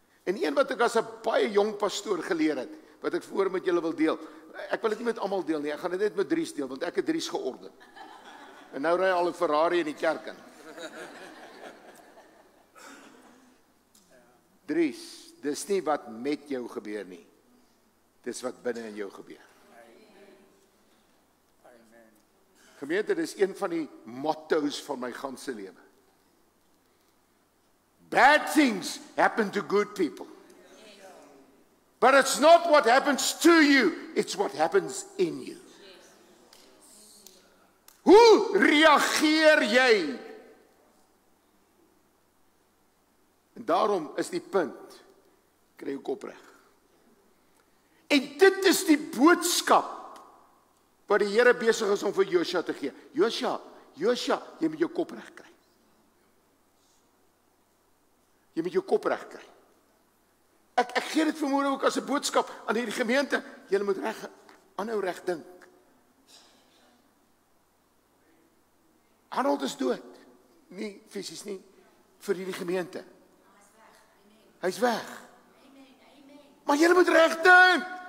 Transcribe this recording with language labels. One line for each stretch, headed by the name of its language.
Afrikaans: En een wat ek as 'n baie jong pastoor geleer het, wat ek voor met julle wil deel. Ek wil dit nie met almal deel nie, ek gaan dit net met Dries deel, want ek het Dries georden. En nou ry al 'n Ferrari in die kerk in. Dries, dis nie wat met jou gebeur nie. Dis wat binne in jou gebeur. Amen. Gemeente, dis een van die motto's van my ganse lewe.
English: Bad things happen to good people. But it's not what happens to you, it's what happens in you.
Afrikaans: Hoe reageer jy? En daarom is die punt, kry jou kop reg. En dit is die boodskap wat die Here besig is om vir Josua te gee. Josua, Josua, jy moet jou kop reg kry. Jy moet jou kop reg kry. Ek gee dit vanmôre ook as 'n boodskap aan hierdie gemeente. Julle moet reg aanhou reg dink. Arnold is dood. Nie fisies nie vir hierdie gemeente. Hy's weg. Amen. Maar julle moet reg dink.